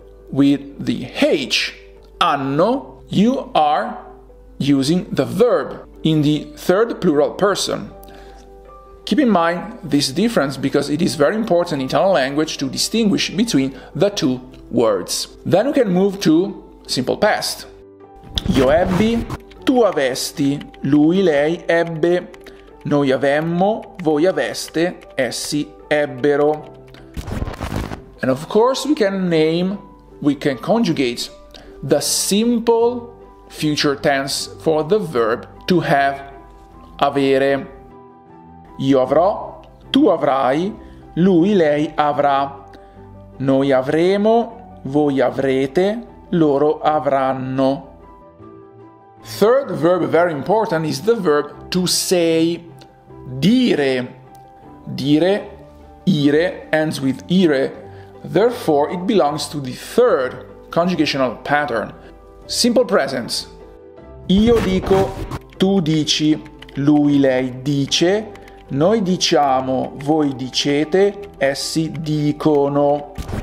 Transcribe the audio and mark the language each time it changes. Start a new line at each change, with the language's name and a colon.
English: With the H, anno, you are using the verb in the third plural person. Keep in mind this difference because it is very important in Italian language to distinguish between the two words. Then we can move to simple past.
Italian: Io ebbi, tu avesti, lui, lei ebbe, noi avemmo, voi aveste, essi ebbero.
English: And of course we can name, we can conjugate the simple future tense for the verb to have, avere.
Italian: Io avrò, tu avrai, lui, lei avrà, noi avremo, voi avrete, loro avranno.
English: Third verb, very important, is the verb to say, dire. Dire, ire, ends with ire. Therefore, it belongs to the third conjugational pattern. Simple present.
Italian: Io dico, tu dici, lui, lei dice, noi diciamo, voi dicete, essi dicono.